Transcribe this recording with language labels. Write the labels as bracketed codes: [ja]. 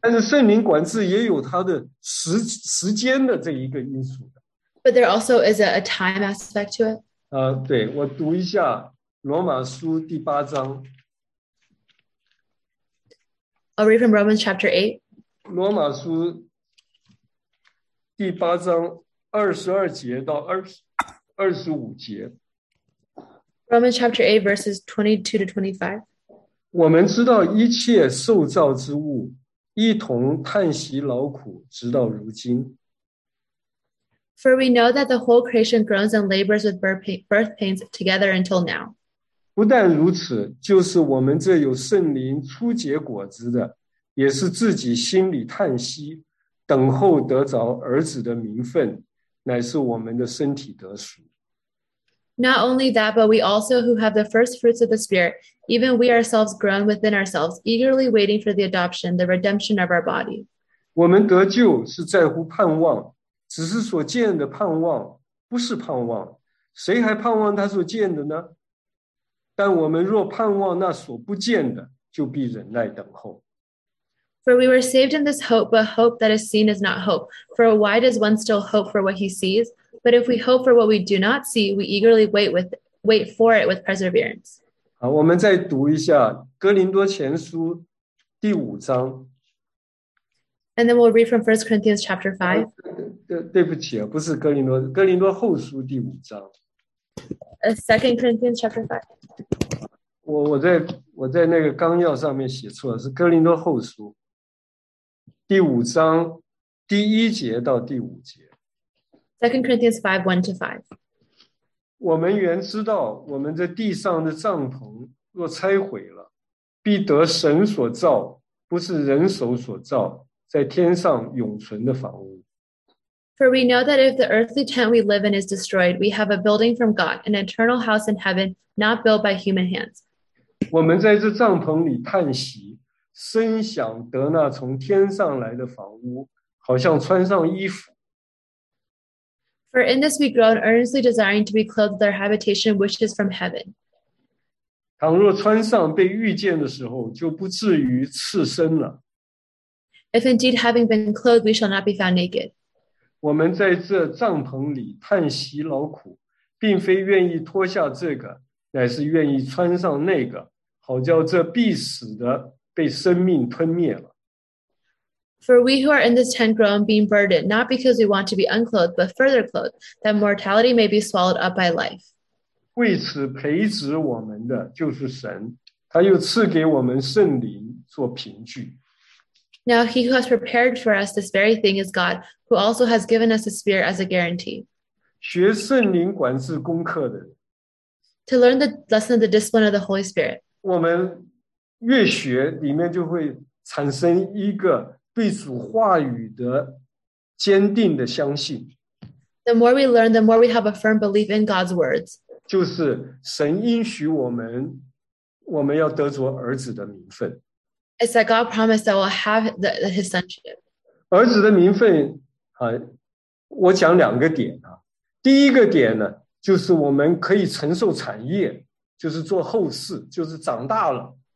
[zh] 但是圣灵管制也有它的时间的这一个因素的。 [en] But there also is a time aspect to it. [zh] 对，我读一下罗马书第八章。 [en] I'll read from Romans chapter 8. [zh] 罗马书第八章二十二节到二十五节。 [en] Romans chapter 8 verses 22 to 25. [zh] 我们知道一切受造之物一同叹息劳苦直到如今。 [en] For we know that the whole creation groans and labors with birth pains together until now. [zh] 不但如此，就是我们这有圣灵初结果子的也是自己心里叹息，等候得着儿子的名分，乃是我们的身体得赎。 [en] Not only that, but we also who have the first fruits of the Spirit, even we ourselves groan within ourselves, eagerly waiting for the adoption, the redemption of our body. [zh] 我们得救是在乎盼望，只是所见的盼望，不是盼望。谁还盼望他所见的呢？但我们若盼望那所不见的，就必忍耐等候。 [en] For we were saved in this hope, but hope that is seen is not hope. For why does one still hope for what he sees? But if we hope for what we do not see, we eagerly wait for it with perseverance. [zh] 好，我们再读一下《哥林多前书》第五章。 [en] And then we'll read from 1 Corinthians chapter 5. [zh] 对不起，不是哥林多，哥林多后书第五章。 [en] 2 Corinthians chapter 5. [zh] 我在那个纲要上面写错了，是《哥林多后书》。第五章第一节到第五节。 [en] 2 Corinthians 5, 1 to 5. [zh] 我们原知道我们这地上的帐篷若拆毁了，必得神所造，不是人手所造，在天上永存的房屋。 [en] For we know that if the earthly tent we live in is destroyed, we have a building from God, an eternal house in heaven, not built by human hands. [zh] 我们在这帐篷里叹息，深想得那从天上来的房屋，好像穿上衣服。 [en] For in this we groan, earnestly desiring to be clothed with our habitation, which is from heaven. [zh] 倘若穿上被遇见的时候，就不至于赤身了。 [en] If indeed having been clothed, we shall not be found naked. [zh] 我们在这帐篷里叹息劳苦，并非愿意脱下这个，乃是愿意穿上那个，好叫这必死的被生命吞灭了。 [en] For we who are in this tent groan, being burdened, not because we want to be unclothed, but further clothed, that mortality may be swallowed up by life. [zh] 为此培植我们的就是神，他又赐给我们圣灵做凭据。 [en] Now he who has prepared for us this very thing is God, who also has given us the Spirit as a guarantee. [zh] 学圣灵管制功课的。 [en] To learn the lesson of the discipline of the Holy Spirit. [zh] 我们越学里面就会产生一个对主话语的坚定的相信。 [en] The more we learn, the more we have a firm belief in God's words. [zh] 就是神应许我们要得着儿子的名分。 [en] It's that God promised that we'll have his sonship. [zh] 儿子的名分，我讲两个点啊。第一个点呢，就是我们可以承受产业，就是做后事，就是长大了。